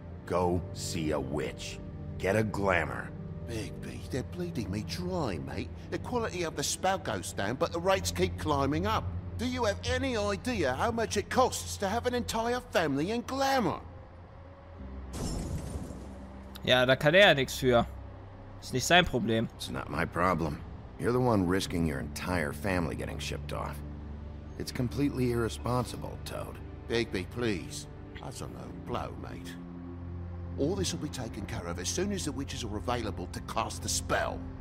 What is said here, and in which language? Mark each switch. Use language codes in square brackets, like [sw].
[en] Go see a witch. Get a glamour. Bigby, they're bleeding me dry, mate. The quality of the spell goes down, but the rates keep climbing up. Do you have any idea how much it costs to have an entire family in glamour? [de] Ja, da kann er ja nichts für. Ist nicht sein Problem. [en] It's not my problem. You're the one risking your entire family getting shipped off. It's completely irresponsible, Toad. Bigby, please. That's a low blow, mate. All this will be taken care of as soon as the witches are available to cast the spell.